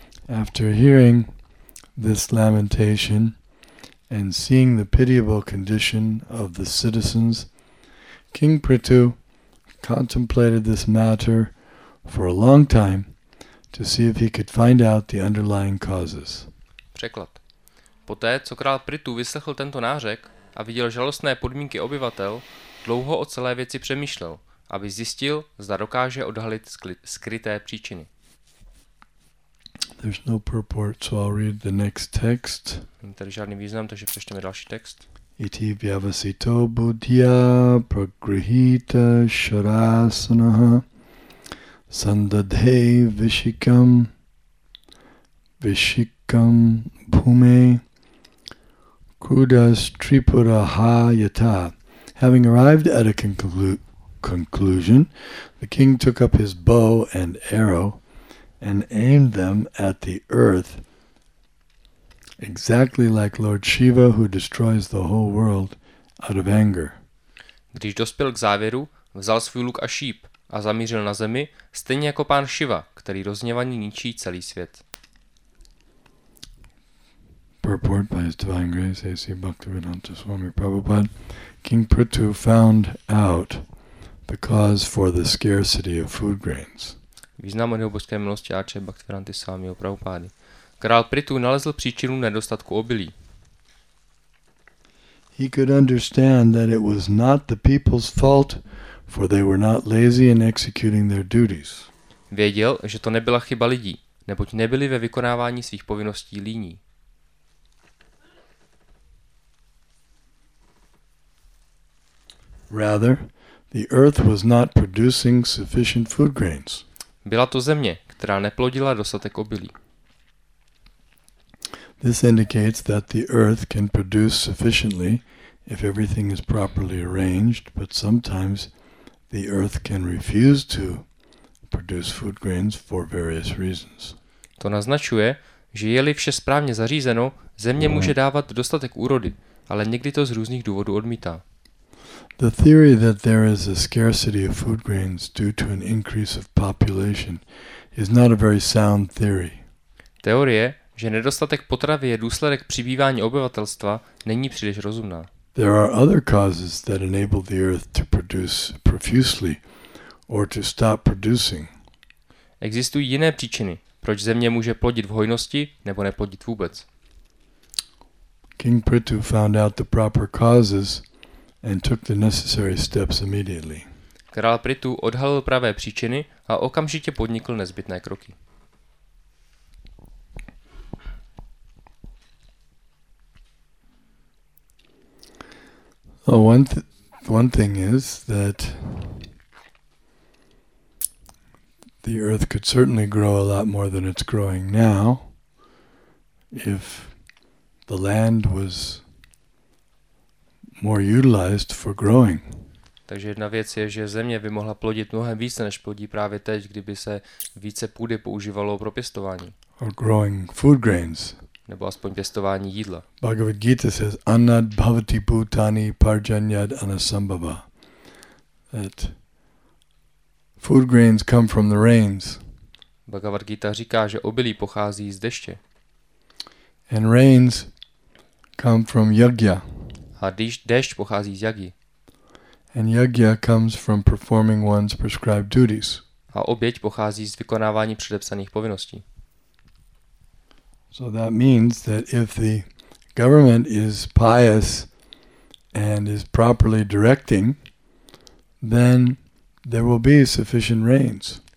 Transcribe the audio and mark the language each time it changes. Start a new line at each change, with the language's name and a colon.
English: After hearing this lamentation and seeing the pitiable condition of the citizens, King Prithu contemplated this matter for a long time to see if he could find out the underlying causes.
Czech: Překlad. Poté, co král Pritu vyslechl tento nářek a viděl žalostné podmínky obyvatel, dlouho o celé věci přemýšlel, aby zjistil, zda dokáže odhalit skryté příčiny.
English: There's no purport, so I'll read the next text.
Czech: Není tady žádný význam, takže přečteme další text.
Sanskrit: Iti vyavasito buddhya pragrihita sharasanaha sandadhe vishikam vishikam bhume kudas tripuraha yata.
English: Having arrived at a conclusion, the king took up his bow and arrow and aimed them at the earth. Exactly like Lord Shiva, who destroys the whole world out of anger.
Czech: Když dospěl k závěru, vzal svůj luk a šíp a zamířil na zemi, stejně jako pán Shiva, který rozněvaně ničí celý svět.
English: Purport by his divine grace, A.C. Bhaktivedanta Swami Prabhupada, King Prithu found out the cause for the scarcity of food grains.
Czech: Význam od jeho božské milosti A.C. Bhaktivedanta Swami Prabhupada. Král Pritu nalezl příčinu nedostatku obilí.
English: He could understand that it was not the people's fault, for they were not lazy in executing their duties.
Czech: Věděl, že to nebyla chyba lidí, neboť nebyli ve vykonávání svých povinností líní.
English: Rather, the earth was not producing sufficient food grains.
Czech: Byla to země, která neplodila dostatek obilí.
English: This indicates that the earth can produce sufficiently if everything is properly arranged, but sometimes the earth can refuse to produce food grains for various reasons.
Czech: To naznačuje, že je-li vše správně zařízeno, země může dávat dostatek úrody, ale někdy to z různých důvodů odmítá.
English: The theory that there is a scarcity of food grains due to an increase of population is not a very sound theory.
Czech: Teorie, že nedostatek potravy je důsledek přibývání obyvatelstva, není příliš rozumná.
English: There are other causes that enable the earth to produce profusely or to stop producing.
Czech: Existují jiné příčiny, proč země může plodit v hojnosti nebo neplodit vůbec.
English: King Prithu found out the proper causes and took the necessary steps immediately.
Czech: Král Pritu odhalil pravé příčiny a okamžitě podnikl nezbytné kroky.
English: So one thing is that the earth could certainly grow a lot more than it's growing now if the land was more utilized for growing.
Czech: Takže jedna věc je, že země by mohla plodit mnohem více, než plodí právě teď, kdyby se více půdy používalo pro pěstování.
English: Or growing food grains.
Czech: Nebo aspoň pěstování jídla.
English: Bhagavad Gita says
Sanskrit: anad bhavati bhutani parjanyad anasambhava.
English: That food grains come from the rains.
Czech: Bhagavad Gita říká, že obilí pochází z deště.
English: And rains come from yagya.
Czech: A déšť pochází z jagy.
English: And yagya comes from performing one's prescribed duties.
Czech: A oběť pochází z vykonávání předepsaných povinností.
English: So that means that if the government is pious and is properly directing, then there will be sufficient rains.